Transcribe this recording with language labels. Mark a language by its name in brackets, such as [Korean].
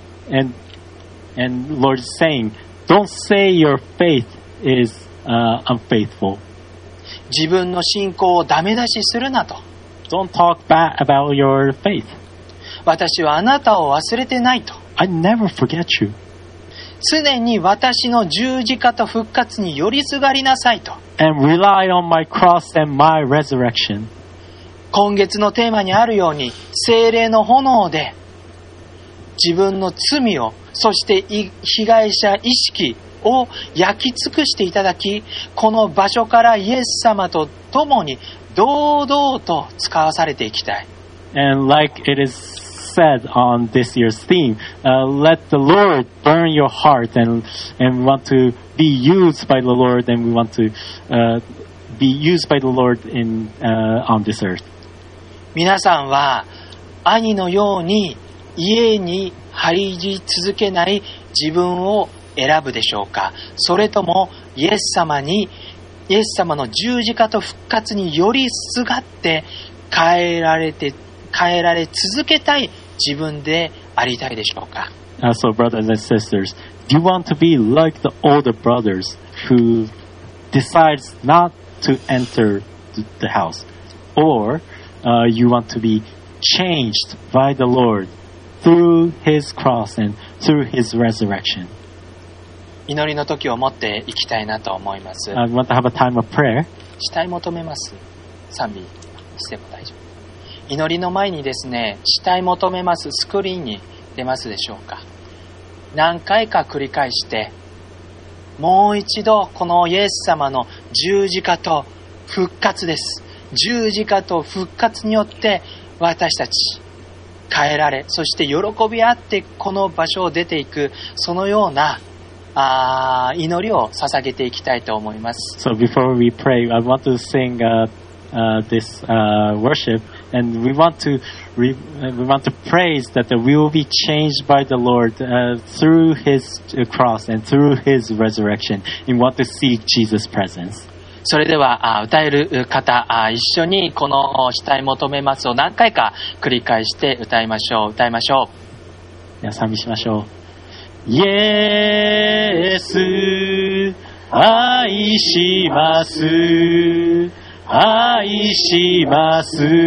[English] And Lord is saying, don't say your faith is unfaithful. [Japanese] 自分の信仰をダメ出しするなと。 [English] Don't talk bad about your faith. [Japanese] 私はあなたを忘れてないと。 [English] I never forget you. [Japanese] 常に私の十字架と復活に寄りすがりなさいと。 [English] And rely on my cross and my resurrection. [Japanese] 今月のテーマにあるように、聖霊の炎で自分の罪を、そして被害者意識を焼き尽くしていただき、この場所からイエス様と共に堂々と使わされていきたい。 [English] And like it is said on this year's theme, let the Lord burn your heart and we want to be used by the Lord and we want to be used by the Lord in, on this earth. [Japanese] 皆さんは兄のように家に張り続けない自分を選ぶでしょうか。それともイエス様にイエス様の十字架と復活によりすがって変えられ続けたい自分でありたいでしょうか。 [English] So brothers and sisters, do you want to be like the older brothers who decides not to enter the house? Or you want to be changed by the Lord through his cross and through his resurrection? [Japanese] 祈りの時を持っていきたいなと思います。 [English] I want to have a time of prayer. [Japanese] したい求めます。賛美しても大丈夫。祈りの前にですね、したい求めます。スクリーンに出ますでしょうか。何回か繰り返して、もう一度このイエス様の十字架と復活です。十字架と復活によって私たち変えられ、そして喜び合ってこの場所を出ていく、そのような祈りを捧げていきたいと思います。 [English] So before we pray, I want to sing this worship, and we want to praise that we will be changed by the Lord through His cross and through His resurrection. We want to seek Jesus' presence. [Japanese] それでは歌える方一緒にこの慕い求めますを何回か繰り返して歌いましょう。歌いましょう。では賛美しましょう。イエス愛します愛します